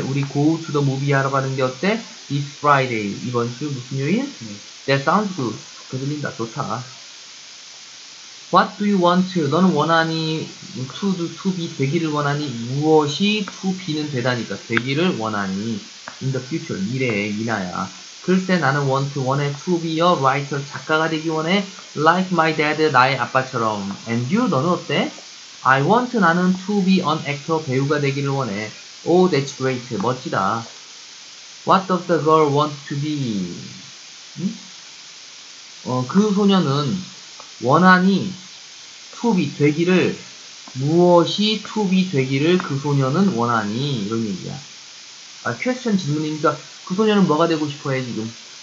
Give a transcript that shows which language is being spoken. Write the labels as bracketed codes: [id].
[ko] 우리 [en] go to the movie [ko] 하러 가는 게 어때? [en] This Friday. [ko] 이번 주 무슨 요일? [en] That sounds good. [ko] 좋게 들린다. 좋다. [en] What do you want? [ko] 너는 원하니? to be 되기를 원하니? 무엇이 to be는 되다니까. 되기를 원하니? [en] In the future, [ko] 미래에, [en] 미나야. [ko] 글쎄, 나는 want to, 원해, [en] to be a writer, [ko] 작가가 되기 원해. [en] Like my dad, [ko] 나의 아빠처럼. And you, 너는 어때? [en] I want, 나는 to be an actor, [ko] 배우가 되기를 원해. [en] Oh, that's great, [ko] 멋지다. [en] What does the girl want to be? [ko] 그 소녀는 원하니, to be, 되기를, 무엇이 to be 되기를 그 소녀는 원하니, 이런 얘기야. 아, 퀘스천 질문이니까, 그 소녀는 뭐가 되고 싶어 해, 지금?